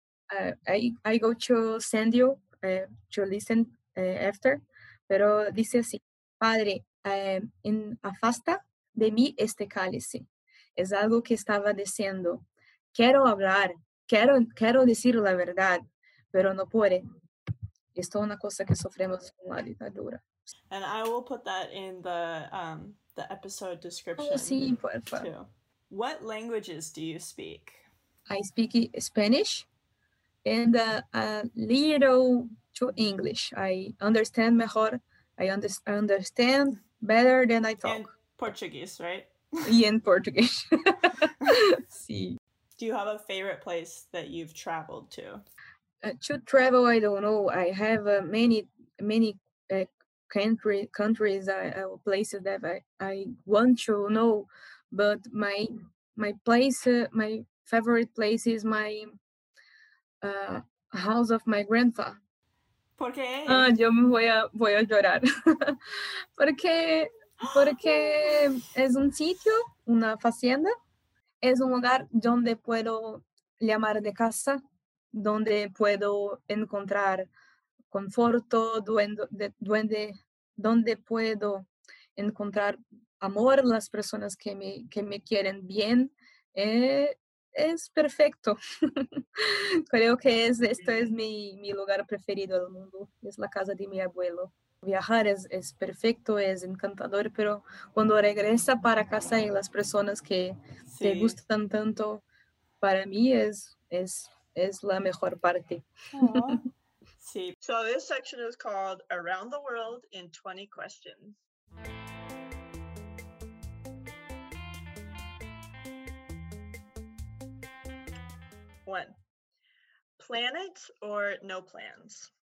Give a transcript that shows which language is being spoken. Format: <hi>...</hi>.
<en>I go to send you to listen after,</en> <es>pero dice así, padre, afasta de mí este cálice. Es algo que estaba diciendo, quiero hablar, quiero decir la verdad. Pero no puede. Esto es una cosa que sufrimos con la dictadura.</es> <en>And I will put that in the episode description.</en> <es>Oh, sí, por favor.</es> <en>What languages do you speak? I speak Spanish and a little to English. I understand mejor. I understand better than I talk. In Portuguese, right?</en> <es>Y en Portuguese. Sí.</es> <en>Do you have a favorite place that you've traveled to? To travel, I don't know. I have many countries, places that I want to know. But my favorite place is my house of my grandpa.</en> <es>¿Por qué? Ah, yo me voy a llorar. porque es un sitio, una hacienda, es un lugar donde puedo llamar de casa. Donde puedo encontrar conforto, donde puedo encontrar amor, las personas que me quieren bien, es perfecto. Creo que esto es mi lugar preferido del mundo, es la casa de mi abuelo. Viajar es perfecto, es encantador, pero cuando regresa para casa y las personas que sí. Te gustan tanto, para mí es la mejor parte. Sí.</es> <en>So this section is called Around the World in 20 Questions. One. Planets or no plans?</en>